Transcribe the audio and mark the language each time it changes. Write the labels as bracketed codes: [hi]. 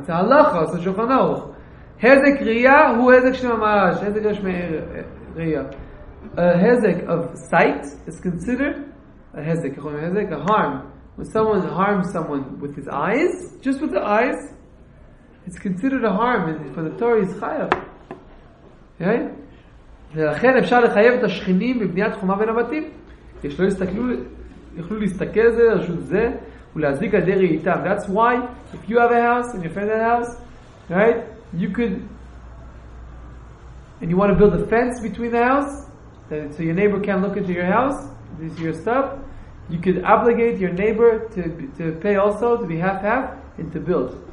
[en] It's a halacha, it's a Shulchan Aruch. Hezek Riyah, who Hezek Shema Marash? Hezek Shema Riyah. A Hezek of sight is considered a Hezek, a harm. When someone harms someone with his eyes, just with the eyes, it's considered a harm. And for the Torah, he's chayav. Right? [he] ולכן אפשר לחייב את השכנים בבניית חומה בין הבתים. יש לו הסתכלו, יכלו להסתכל זה, רשות זה, ולהזיק על דרי איתם. [en] That's why, if you have a house, and you find that house, right, you could, and you want to build a fence between the house, so your neighbor can't look into your house, this is your stuff, you could obligate your neighbor to pay also, to be half-half, and to build.